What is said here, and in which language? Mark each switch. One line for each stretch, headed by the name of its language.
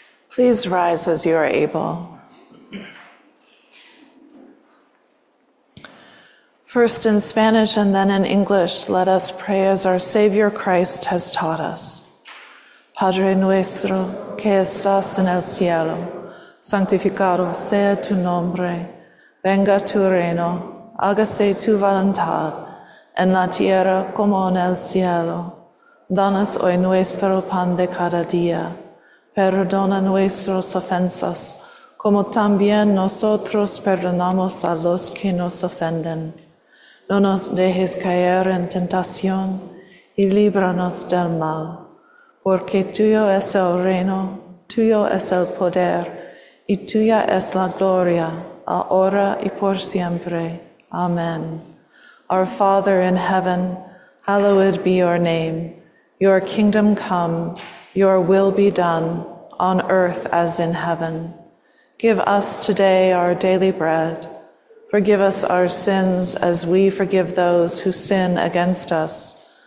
English: Please rise as you are able. First in Spanish and then in English, let us pray as our Savior Christ has taught us.
Spanish: Padre nuestro que estás en el cielo, santificado sea tu nombre, venga tu reino, hágase tu voluntad, en la tierra como en el cielo. Danos hoy nuestro pan de cada día. Perdona nuestras ofensas, como también nosotros perdonamos a los que nos ofenden. No nos dejes caer en tentación y líbranos del mal. Porque tuyo es el reino, tuyo es el poder y tuya es la gloria, ahora y por siempre. Amen.
English: Our Father in heaven, hallowed be your name. Your kingdom come, your will be done, on earth as in heaven. Give us today our daily bread. Forgive us our sins as we forgive those who sin against us.